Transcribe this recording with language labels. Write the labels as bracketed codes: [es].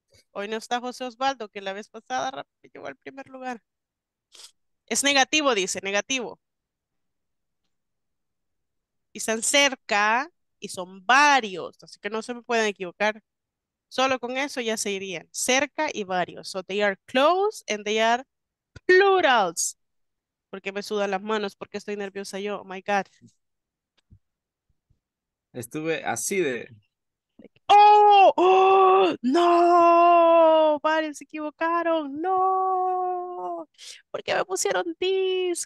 [es] Hoy no está José Osvaldo, que la vez pasada llegó al primer lugar. Es negativo, dice, negativo. Y están cerca y son varios, así que no se me pueden equivocar. Solo con eso ya se irían. Cerca y varios. [en] So they are close and they are plurals. [es] Porque me sudan las manos, porque estoy nerviosa yo. [en] Oh my God. [es] Estuve así de... ¡Oh! ¡No! Varios se equivocaron. ¡No! ¿Por qué me pusieron this?